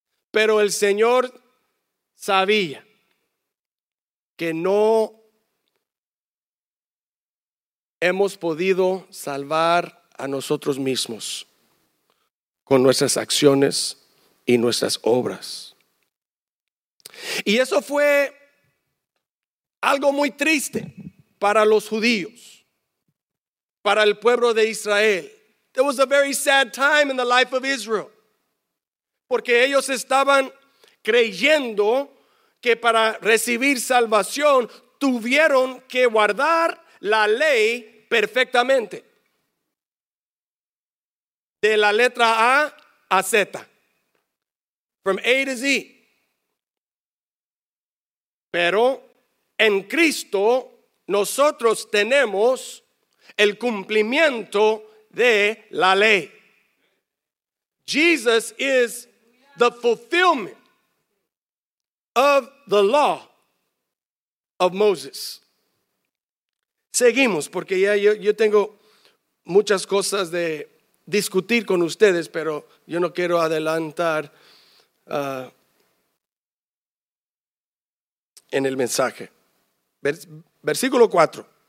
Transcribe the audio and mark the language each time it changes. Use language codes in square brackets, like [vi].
[es] Pero el Señor sabía que no hemos podido salvar a nosotros mismos con nuestras acciones y nuestras obras. Y eso fue algo muy triste para los judíos, para el pueblo de Israel. [en] There was a very sad time in the life of Israel. [es] Porque ellos estaban creyendo que para recibir salvación tuvieron que guardar la ley perfectamente. De la letra A a Z. [en] From A to Z. [es] Pero en Cristo nosotros tenemos el cumplimiento de la ley. [en] Jesus is the fulfillment of the law of Moses. [es] Seguimos, porque ya yo tengo muchas cosas de discutir con ustedes, pero yo no quiero adelantar en el mensaje. Versículo 4.